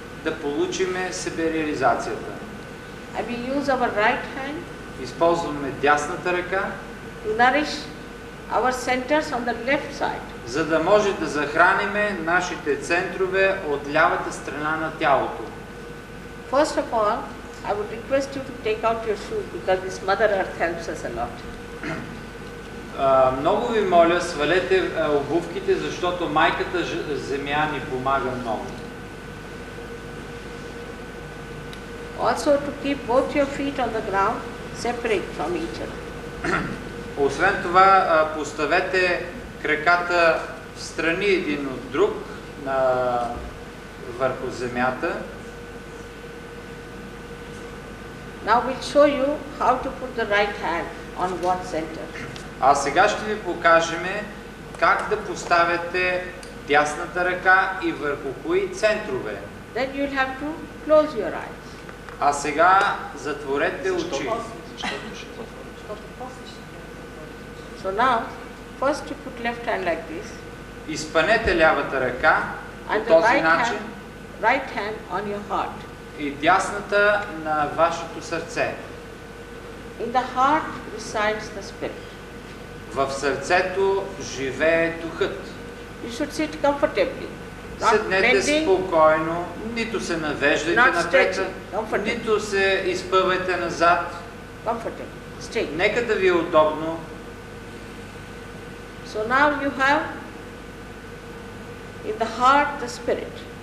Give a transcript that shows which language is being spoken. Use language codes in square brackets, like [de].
[bg] Да получиме себе реализацията. [en] And we use our right hand. [bg] Използваме дясната ръка. [en] To nourish our centers on the left side. [bg] За да може да захраниме нашите центрове от лявата страна на тялото. [en] First of all, I would request you to take out your shoes because this Mother Earth helps us a lot. [bg] Много ви моля, свалете обувките, защото майката земя ни помага много. [en] Also to keep both your feet on the ground separate from each other. [bg] Освен това, поставете краката встрани един от друг на върху земята. [en] Now we'll show you how to put the right hand on what center. [bg] А сега ще ви покажем как да поставите дясната ръка и върху кои центрове. [en] Then you'll have to close your eyes. [bg] А сега затворете очи. [en] So now, first you put left hand like this. [bg] Изпънете лявата ръка [en] and [bg] по този [en] right [bg] начин. [en] Hand, right hand on your heart. [bg] И дясната на вашето сърце. [en] In the heart resides the spirit. [bg] В сърцето живее духът. [en] You should sit comfortably. [bg] Седнете спокойно, нито се навеждайте напред, нито се изпъвайте назад. [en] Comfortably. Stay. [bg] Нека да ви е удобно. [en] So now you have in the heart the spirit.